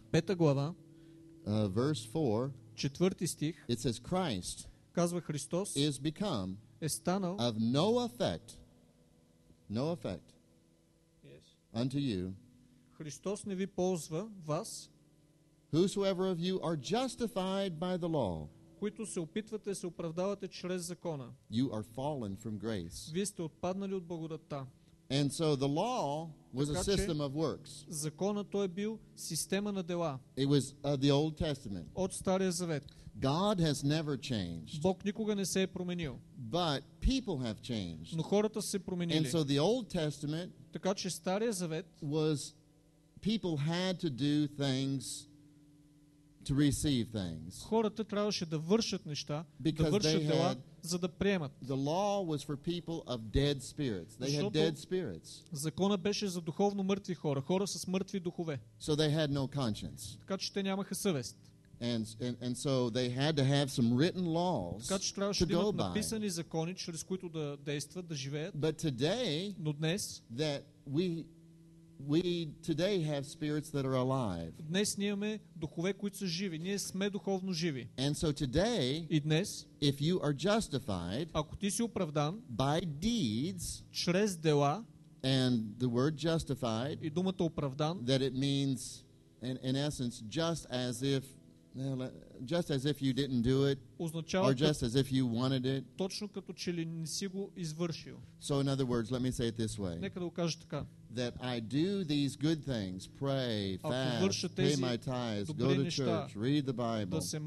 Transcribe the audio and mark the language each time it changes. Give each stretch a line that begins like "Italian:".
Bulgarian: 5 глава,
English: verse 4,
Bulgarian: 4 стих,
English: it says Christ
Bulgarian: казва Христос
English: is become
Bulgarian: е станал
English: of no effect, no effect yes. unto you.
Bulgarian: Христос не ви ползва вас.
English: Whosoever of you are justified by the law.
Bulgarian: Които се опитвате се оправдавате чрез закона.
English: You are fallen from grace.
Bulgarian: Вие сте отпаднали от благодата.
English: And so the law was a system of works.
Bulgarian: Законът той бил система на дела.
English: It was the Old Testament.
Bulgarian: От Стария завет.
English: God has never changed.
Bulgarian: Бог никога не се е променил.
English: But people have changed.
Bulgarian: Но хората се променили.
English: And so the Old Testament.
Bulgarian: Така че Стария завет
English: was people had to do things to receive things.
Bulgarian: Хората трябваше да вършат неща, да вършат дела, за да приемат.
English: The law was for people of dead spirits. They had dead spirits.
Bulgarian: Законът беше за духовно мъртви хора, хора с мъртви духове.
English: So they had no conscience.
Bulgarian: Така че те нямаха съвест.
English: And so they had to have some written laws.
Bulgarian: Така че трябваше да имат написани закони, чрез които да действат, да живеят.
English: But today,
Bulgarian: но днес,
English: that we today have spirits that are alive.
Bulgarian: Днес ние имаме духове, които са живи. Ние сме духовно живи.
English: And so today,
Bulgarian: и днес,
English: if you are justified,
Bulgarian: ако ти си оправдан,
English: by deeds,
Bulgarian: чрез дела,
English: and the word justified,
Bulgarian: и думата оправдан,
English: that it means, in essence, just as if, just as if you didn't do it,
Bulgarian: означава,
English: or just as if you wanted it,
Bulgarian: точно като че ли не си го извършил.
English: So in other words, let me say it this way.
Bulgarian: Нека да го кажа така.
English: That I do these good things, pray, fast, pay my tithes, go to church, read the Bible,